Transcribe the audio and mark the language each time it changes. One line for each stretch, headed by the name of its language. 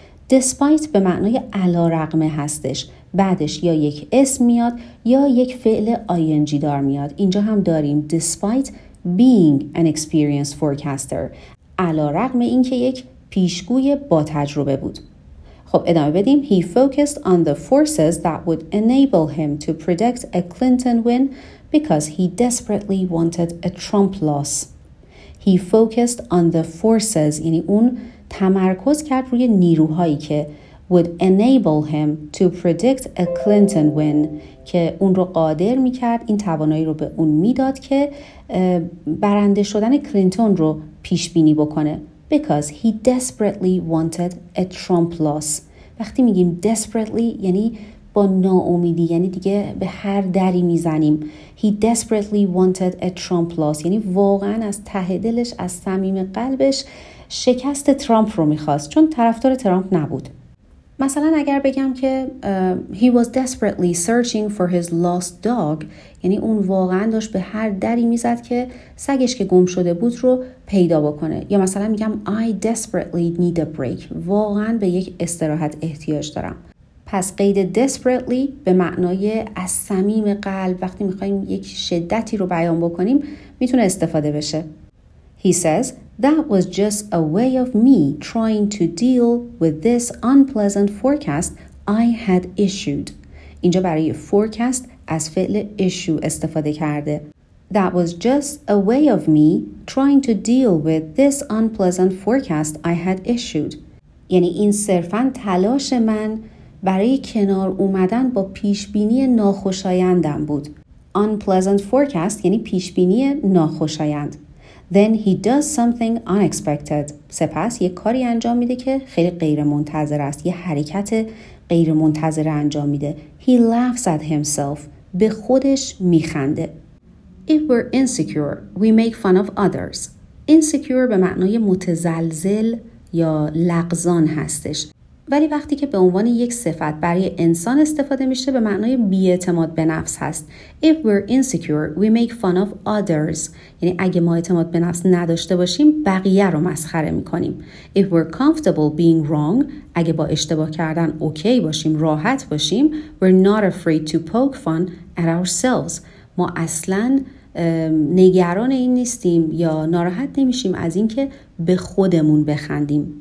Persian: Despite به معنای علارغم هستش. بعدش یا یک اسم میاد یا یک فعل ing دار میاد. اینجا هم داریم
English: despite being an experienced forecaster.
Persian: علارغم این که یک پیشگوی با تجربه بود. خب ادامه بدیم.
English: He focused on the forces that would enable him to predict a Clinton win because he desperately wanted a Trump loss. He focused on the forces,
Persian: یعنی اون تمرکز کرد روی نیروهایی که
English: would enable him to predict a Clinton win
Persian: که اون رو قادر میکرد، این توانایی رو به اون میداد که برنده شدن کلینتون رو پیش بینی بکنه.
English: Because he desperately wanted a Trump loss.
Persian: وقتی میگیم desperately یعنی با ناامیدی، یعنی دیگه به هر دری میزنیم.
English: He desperately wanted a Trump loss.
Persian: یعنی واقعا از ته دلش، از صمیم قلبش شکست ترامپ رو میخواست، چون طرفدار ترامپ نبود. مثلا اگر بگم که
English: he was desperately searching for his lost dog،
Persian: یعنی اون واقعا داشت به هر دری میزد که سگش که گم شده بود رو پیدا بکنه. یا مثلا میگم
English: I desperately need a break،
Persian: واقعا به یک استراحت احتیاج دارم. پس قید desperately به معنای از صمیم قلب وقتی میخواییم یک شدتی رو بیان بکنیم میتونه استفاده بشه.
English: He says that was just a way of me trying to deal with this unpleasant forecast I had issued.
Persian: اینجا برای forecast از فعل issue استفاده کرده.
English: That was just a way of me trying to deal with this unpleasant forecast I had issued.
Persian: یعنی این صرفاً تلاش من برای کنار اومدن با پیشبینی ناخوشایندم بود.
English: Unpleasant forecast
Persian: یعنی پیشبینی ناخوشایند.
English: Then he does something unexpected.
Persian: سپس یک کاری انجام میده که خیلی غیر منتظر است. یه حرکت غیر منتظر انجام میده.
English: He laughs at himself.
Persian: به خودش میخنده.
English: If we're insecure, we make fun of others.
Persian: Insecure به معنای متزلزل یا لغزان هستش. ولی وقتی که به عنوان یک صفت برای انسان استفاده میشه به معنای بی‌اعتماد به نفس هست.
English: If we're insecure, we make fun of others.
Persian: یعنی اگه ما اعتماد به نفس نداشته باشیم بقیه رو مسخره میکنیم.
English: If we're comfortable being wrong,
Persian: اگه با اشتباه کردن اوکی باشیم، راحت باشیم،
English: we're not afraid to poke fun at ourselves.
Persian: ما اصلاً نگران این نیستیم یا ناراحت نمیشیم از اینکه به خودمون بخندیم.